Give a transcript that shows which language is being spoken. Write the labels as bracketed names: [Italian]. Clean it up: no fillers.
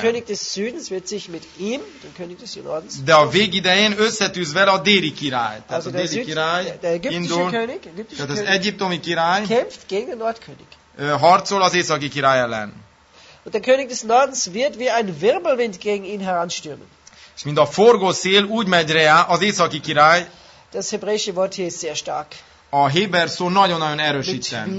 [German] Der König des Südens wird sich mit ihm, dem König des Nordens. [Hungarian] De a vég idején összetűz vele a déli király. Tehát [German] also [Hungarian] a déli király. [German] Der ägyptische [Hungarian] indul, [German] König. [Hungarian] Tehát az egyiptomi király. [German] Kämpft gegen den Nordkönig. [Hungarian] Harcol az északi király ellen. [German] Und der König des Nordens wird wie ein Wirbelwind gegen ihn heranstürmen. [Hungarian] És mint a forgó szél úgy megy rá az északi király. [German] Das hebräische Wort hier ist sehr stark. [Hungarian] A héber szó nagyon-nagyon erős itt.